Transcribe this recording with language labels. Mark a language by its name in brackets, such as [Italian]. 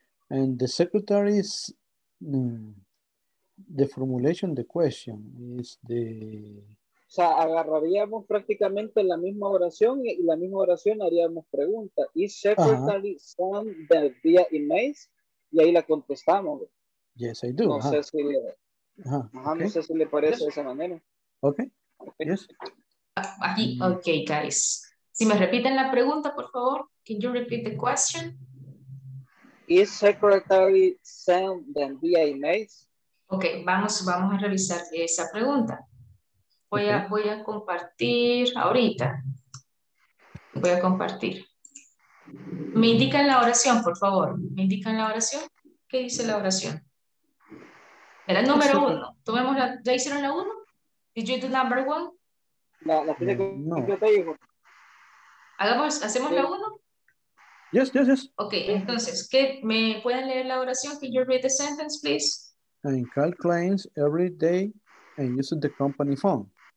[English] And the secretary is the formulation, the question is the... [Spanish] O sea, agarraríamos prácticamente la misma oración y la misma oración haríamos pregunta. [English] ¿Is secretary send them via emails? [Spanish] Y ahí la contestamos. [English] Yes, I do. [Spanish] No sé si le parece de esa manera. [English] Okay, guys. [Spanish] Si me repiten la pregunta, por favor. [English] Can you repeat the question? Is secretary send them via emails? [Spanish] Okay, vamos a revisar esa pregunta. Voy a compartir ahorita. Voy a compartir. Me indican la oración, por favor. ¿Me indican la oración? ¿Qué dice la oración? Era número uno. Tomemos la. ¿Ya hicieron la uno? [English] Did you do number one? [Spanish] ¿Hacemos la uno? [English] Yes. [Spanish] Okay, entonces, ¿qué me pueden leer la oración? [English] Can you read the sentence, please? I call clients every day and use the company phone.